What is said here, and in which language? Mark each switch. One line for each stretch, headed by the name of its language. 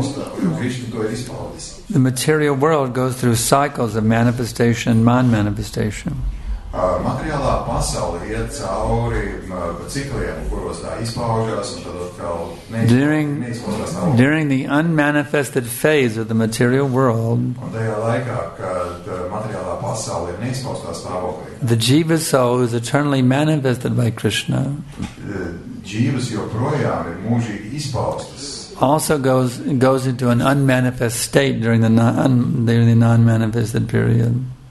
English: The material world goes through cycles of manifestation and non-manifestation.
Latvian: Materiālā pasaule iet cauri cikliem, kuros tā izpaužas un tad atkal neizpaužas.
English: During the unmanifested phase of the material world,
Latvian: un tajā laikā, kad materiālā pasaule ir neizpaustā stāvoklī,
English: the jīva soul is eternally manifested by Krishna.
Latvian: Jīvas joprojām ir mūžīgi izpaustas.
English: Also goes into an unmanifest state during the non-manifested period.